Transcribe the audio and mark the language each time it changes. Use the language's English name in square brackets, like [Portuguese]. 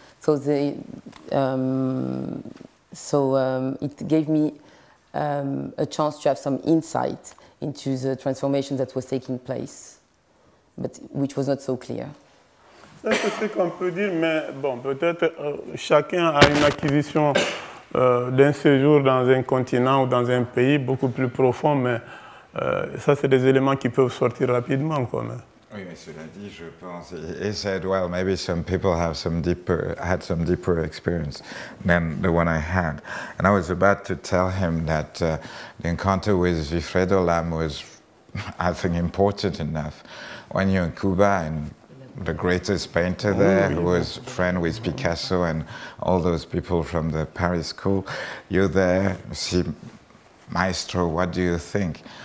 [English] So it gave me a chance to have some insight into the transformation that was taking place, but which was not so clear. [French] C'est ce qu'on peut dire, mais bon, peut-être chacun a une acquisition d'un séjour dans un continent ou dans un pays beaucoup plus profond, mais ça, c'est des éléments qui peuvent sortir rapidement, quand même. Oui, mais cela dit, je pense. [English] He said, well, maybe some people have had some deeper experience than the one I had. And I was about to tell him that the encounter with Wilfred Olam was, I think, important enough. When you're in Cuba and the greatest painter there, who was friend with Picasso and all those people from the Paris school, you're there, see, maestro, what do you think?